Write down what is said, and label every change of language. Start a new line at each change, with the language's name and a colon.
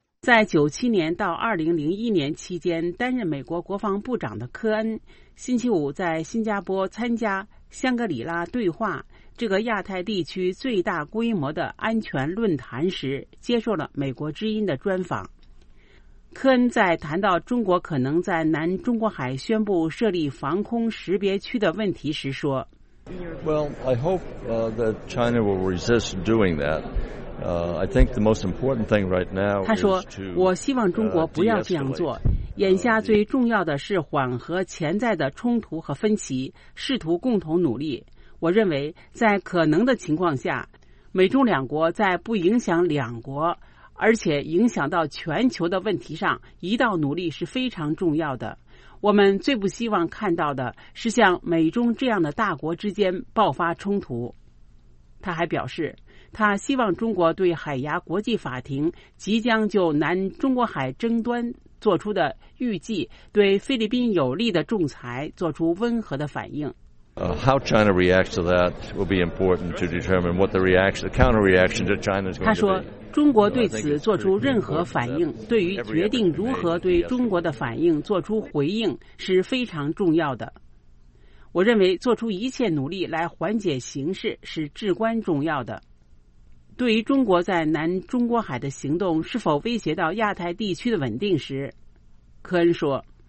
Chinese: 在97年到2001年期间担任美国国防部长的科恩，星期五在新加坡参加香格里拉对话，这个亚太地区最大规模的安全论坛时，接受了美国之音的专访。科恩在谈到中国可能在南中国海宣布设立防空识别区的问题时说，
English: Well, I hope that China will resist doing that. I think the most important thing right now.
Chinese: 他说，我希望中国不要这样做。眼下最重要的是缓和潜在的冲突和分歧，试图共同努力。我认为，在可能的情况下，美中两国在不影响两国，而且影响到全球的问题上，一道努力是非常重要的。我们最不希望看到的是像美中这样的大国之间爆发冲突。他还表示，他希望中国对海牙国际法庭即将就南中国海争端做出的预计对菲律宾有利的仲裁做出温和的反应。
English: How China reacts to that will be important to determine what the reaction, the counter reaction to China is going to be.
Chinese: 他说，中国对此做出任何反应，对于决定如何对中国的反应做出回应是非常重要的。我认为做出一切努力来缓解形势是至关重要的。对于中国在南中国海的行动是否威胁到亚太地区的稳定时，科恩说，